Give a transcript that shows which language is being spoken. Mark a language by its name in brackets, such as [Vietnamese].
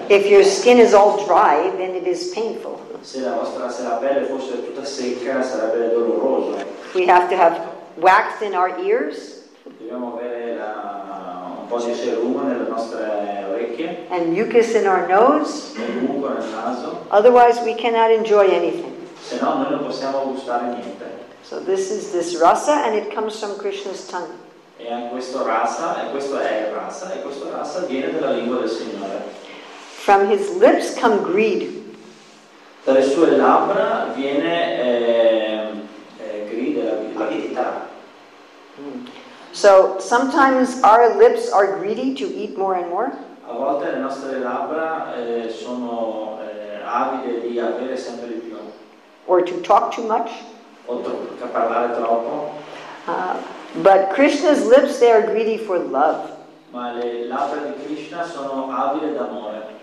[English] If your skin is all dry, then it is painful. [Italian] Se la pelle fosse tutta secca, sarebbe doloroso. [English] We have to have wax in our ears. [Italian] Dobbiamo avere un po' di ceruma nelle nostre orecchie. [English] And mucus in our nose. [Italian] E mucco nel naso. [English] Otherwise we cannot enjoy anything. [Italian] Se no, noi non possiamo gustare niente. [English] So this is this rasa and it comes from Krishna's tongue. [Italian] E questo rasa, e questo è rasa, e questo rasa viene dalla lingua del Signore. [English] From his lips come greed. [Italian] Dalle sue labbra viene avidità. [English] So sometimes our lips are greedy to eat more and more. [Italian] A volte le nostre labbra sono avide di avere sempre di più. [English] Or to talk too much. [Italian] O a parlare troppo. [English] But Krishna's lips, they are greedy for love. [Italian] Ma le labbra di Krishna sono avide d'amore.